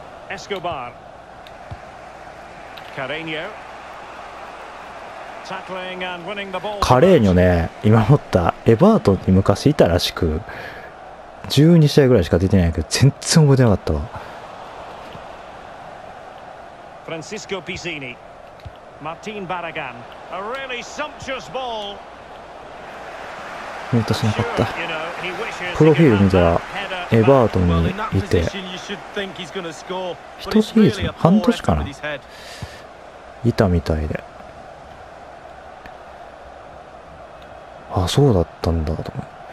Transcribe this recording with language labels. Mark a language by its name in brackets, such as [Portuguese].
[English] Escobar, Carreño, tackling and winning the ball. [Japanese] カレーニョね、今思ったエバートに昔いたらしく、12試合ぐらいしか出てないけど全然覚えてなかったわ。 [English] Francisco Pizzini, Martin Barragan, a really sumptuous ball. [Japanese] 見落としなかった。プロフィール見たらエバートンにいて、一シーズン半年かな、いたみたいで、あ、そうだったんだと思う。